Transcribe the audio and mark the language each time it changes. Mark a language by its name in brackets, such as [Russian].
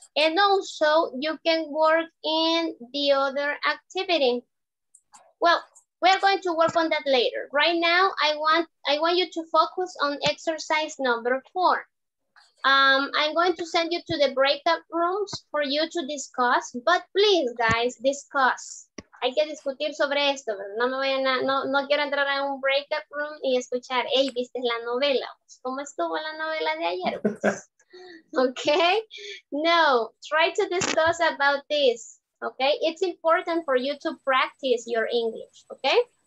[English] And also you can work in the other activity. Well, we're going to work on that later. Right now, I want you to focus on exercise number 4. I'm going to send you to the breakout rooms for you to discuss, but please, guys, discuss. [Spanish] Hay que discutir sobre esto, pero no me voy a, no quiero entrar a un breakout room y escuchar, hey, ¿viste la novela? ¿Cómo estuvo la novela de ayer? [English] Okay, no, try to discuss about this, okay? It's important for you to practice your English, okay?